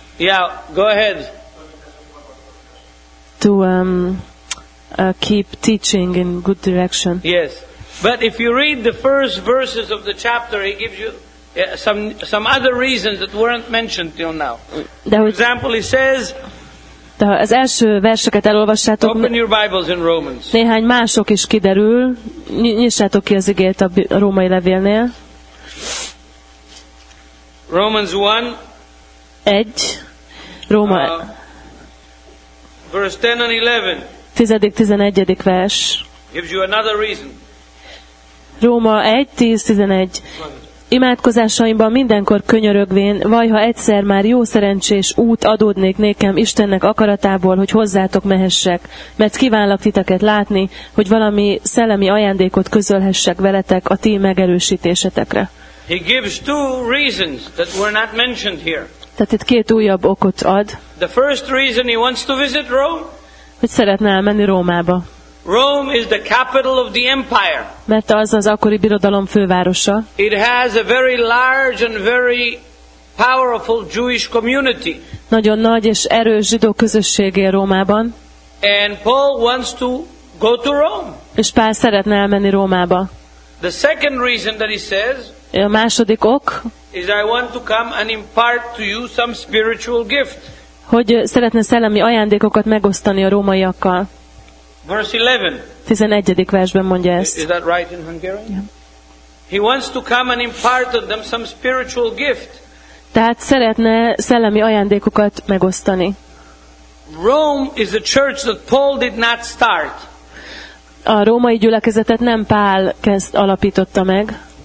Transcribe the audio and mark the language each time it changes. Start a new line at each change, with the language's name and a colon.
English: Yeah, go ahead. To keep teaching in good direction. Yes. But if you read the first verses of the chapter, he gives you some other reasons that weren't mentioned till now. For example, he says,
Hungarian: de ha az első verseket elolvassátok,
English: open your Bibles in Romans.
Hungarian: Néhány mások is kiderül, nyissátok ki az igét a római levélnél.
English: Romans 1.
Hungarian: 1. Róma.
English: Verse 10 and 11.
Hungarian: 10. 11. vers.
English: Gives you another reason.
Hungarian: Róma 1:10-11. Imádkozásaimban mindenkor könyörögvén, vajha egyszer már jó szerencsés út adódnék nékem Istennek akaratából, hogy hozzátok mehessek, mert kívánlak titeket látni, hogy valami szellemi ajándékot közölhessek veletek a ti megerősítésetekre.
English: He gives two reasons that were not mentioned here.
Hungarian: Tehát itt két újabb okot ad.
English: The first reason he wants to visit Rome.
Hungarian: Hogy szeretne elmenni Rómába.
English: Rome is the capital of the empire.
Hungarian: Mert az az akkori birodalom fővárosa.
English: It has a very large and very powerful Jewish community.
Hungarian: Nagyon nagy és erős zsidó közösség él Rómában.
English: And Paul wants to go to Rome.
Hungarian: És Pál szeretne elmenni Rómába.
English: The second reason that he says,
Hungarian: a második ok,
English: is I want to come and impart to you some spiritual gift.
Hungarian: Hogy szeretne szellemi ajándékokat megosztani a rómaiakkal.
English: Verse 11.
Hungarian: 11. versben mondja ezt.
English: Is that right in Hungarian? Yeah. He wants to come and impart to them some spiritual gift.
Hungarian: Tehát szeretne szellemi ajándékokat megosztani.
English: Rome is a church that Paul did not start.
Hungarian: A római gyülekezetet nem Pál alapította meg.